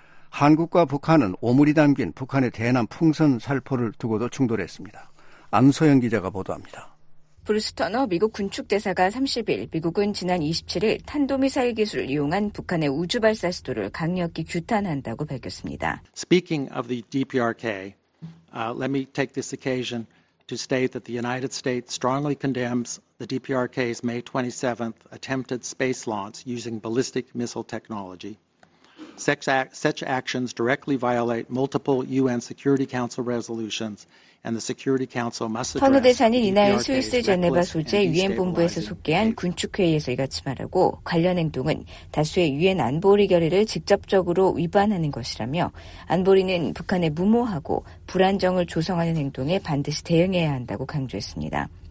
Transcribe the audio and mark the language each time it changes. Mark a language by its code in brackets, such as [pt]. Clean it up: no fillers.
[ko] 한국과 북한은 오물이 담긴 북한의 대남 풍선 살포를 두고도 충돌했습니다. 안소영 기자가 보도합니다. 브루스 터너 미국 군축대사가 30일 미국은 지난 27일 탄도미사일 기술을 이용한 북한의 우주발사 시도를 강력히 규탄한다고 밝혔습니다. [en] Speaking of the DPRK, let me take this occasion to state that the United States strongly condemns the DPRK's May 27th attempted space launch using ballistic missile technology. Such actions directly violate multiple UN Security Council resolutions and the Security Council must address. [ko] 터너 대사는 이날 스위스 제네바 소재 유엔 본부에서 속개한 군축회의에서 이같이 말하고 관련 행동은 다수의 유엔 안보리 결의를 직접적으로 위반하는 것이라며 안보리는 북한의 무모하고 불안정을 조성하는 행동에 반드시 대응해야 한다고 강조했습니다.